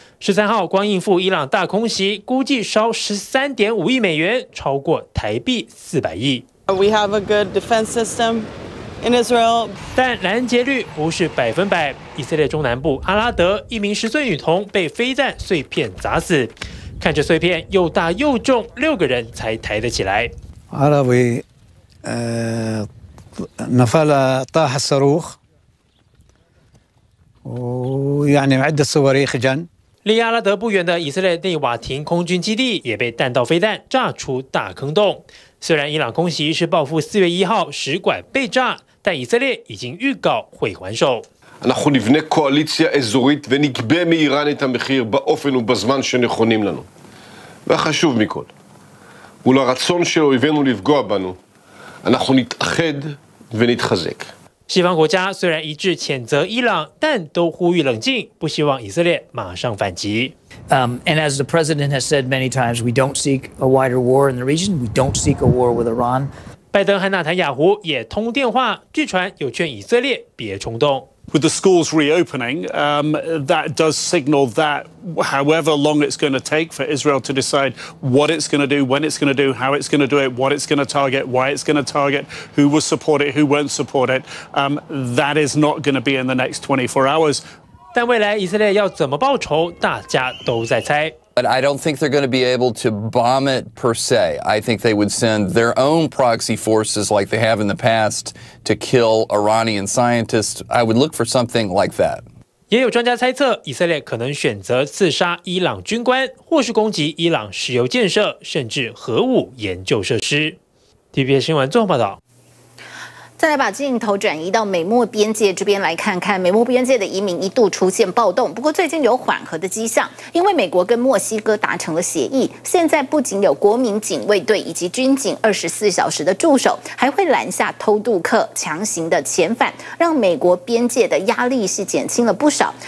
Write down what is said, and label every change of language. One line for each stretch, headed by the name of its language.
Chinese: 13号光应付伊朗大空袭，估计烧13.5亿美元，超过台币400亿。
English: We have a good defense system in Israel.
Chinese: 但拦截率不是100%。以色列中南部阿拉德，一名10岁女童被飞弹碎片砸死。看着碎片又大又重，六个人才抬得起来。
Arabic: عربي نفل طاح الصاروخ ويعني عدة صواريخ جن.
Chinese: 离阿拉德不远的以色列内瓦廷空军基地也被弹道飞弹炸出大坑洞。虽然伊朗空袭是报复4月1号使馆被炸，但以色列已经预告会还手。
Hebrew: אנחנו נבנה קואליציה אזורית ונקבה מאיראן את המחיר באופן ובזמן שנכונים לנו. והחשוב מכל, מול הרצון של אויבינו לפגוע בנו, אנחנו נתאחד ונתחזק.
Chinese: 西方国家虽然一致谴责伊朗，但都呼吁冷静，不希望以色列马上反击。
English: And as the president has said many times, we don't seek a wider war in the region. We don't seek a war with Iran.
Chinese: 拜登和纳坦雅胡也通电话，据传有劝以色列别冲动。
English: With the schools reopening, that does signal that however long it's going to take for Israel to decide what it's going to do, when it's going to do, how it's going to do it, what it's going to target, why it's going to target, who will support it, who won't support it, that is not going to be in the next 24 hours.
Chinese: 但未来以色列要怎么报仇，大家都在猜。
English: But I don't think they're going to be able to bomb it per se. I think they would send their own proxy forces like they have in the past to kill Iranian scientists. I would look for something like that.
Chinese: 也有专家猜测，以色列可能选择刺杀伊朗军官，或是攻击伊朗石油建设，甚至核武研究设施。 TVBS 新闻综合报道。再来把镜头转移到美墨边界这边来看看，美墨边界的移民一度出现暴动，不过最近有缓和的迹象，因为美国跟墨西哥达成了协议，现在不仅有国民警卫队以及军警24小时的驻守，还会拦下偷渡客强行的遣返，让美国边界的压力是减轻了不少。